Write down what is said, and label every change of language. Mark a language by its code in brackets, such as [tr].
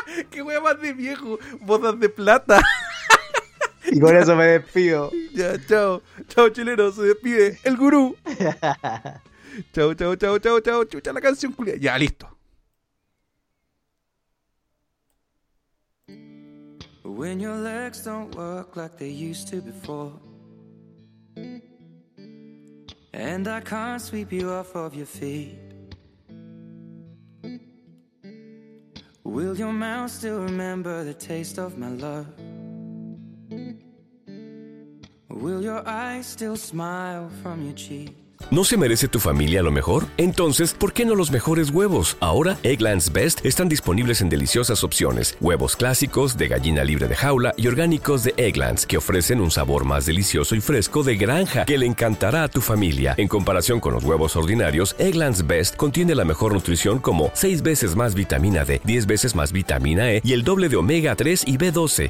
[es] ¡Qué wea más de viejo! ¡Bodas de plata! Y con eso me despido. Ya, chao. Chao, chileno, se despide el gurú. Chao, chao, chao, chao, chao. Chucha la canción, culia. Ya, listo. [en] When your legs don't work like they used to before, and I can't sweep you off of your feet, will your mouth still remember the taste of my love? Will your eyes still smile from your cheek? [es] ¿No se merece tu familia lo mejor? Entonces, ¿por qué no los mejores huevos? Ahora, Eggland's Best están disponibles en deliciosas opciones. Huevos clásicos de gallina libre de jaula y orgánicos de Eggland's, que ofrecen un sabor más delicioso y fresco de granja que le encantará a tu familia. En comparación con los huevos ordinarios, Eggland's Best contiene la mejor nutrición, como 6 veces más vitamina D, 10 veces más vitamina E y el doble de omega 3 y B12.